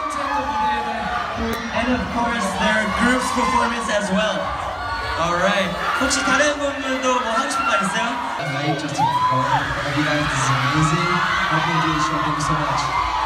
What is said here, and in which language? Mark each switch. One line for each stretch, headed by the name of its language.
English: And of course, their group's performance as well. Alright.
Korean: 혹시 다른 분들도 뭐 하고 싶은 말 있어요?
English: I'd like to perform. You guys are amazing. I've been doing this for so much.